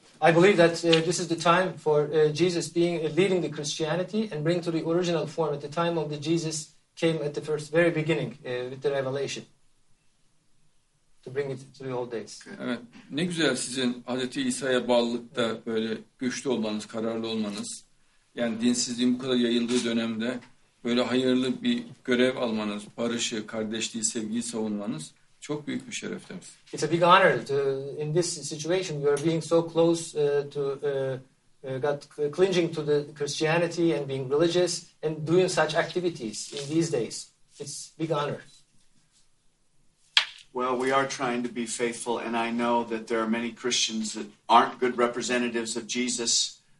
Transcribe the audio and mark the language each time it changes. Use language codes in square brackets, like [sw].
[en] I believe that this is the time for Jesus being leading the Christianity and bring to the original form at the time of the Jesus came at the first very beginning with the revelation to bring it to the old days. [tr] Evet. Ne güzel sizin Hazreti İsa'ya bağlılıkta böyle güçlü olmanız, kararlı olmanız. Yani dinsizliğin bu kadar yayıldığı dönemde böyle hayırlı bir görev almanız, barışı, kardeşliği, sevgiyi savunmanız çok büyük bir şeref demiş. [en] It's a big honor to in this situation you are being so close to got clinging to the Christianity and being religious and doing such activities in these days. It's big honor. Well, we are trying to be faithful and I know that there are many Christians that aren't good representatives of Jesus.